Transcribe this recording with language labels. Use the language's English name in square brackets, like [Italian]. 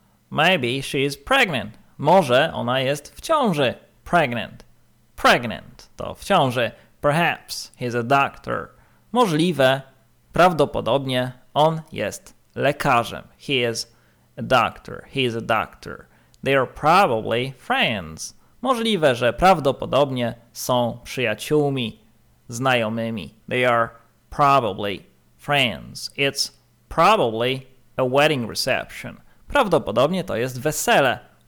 [English] Maybe she is pregnant, [Polish] może ona jest w ciąży, pregnant. To w ciąży. [English] Perhaps he's a doctor. [Polish] Możliwe, prawdopodobnie on jest lekarzem. [English] He is a doctor. They are probably friends. [Polish] Możliwe, że prawdopodobnie są przyjaciółmi, znajomymi. [English] They are probably friends. It's probably a wedding reception. [Polish] Prawdopodobnie to jest wesele.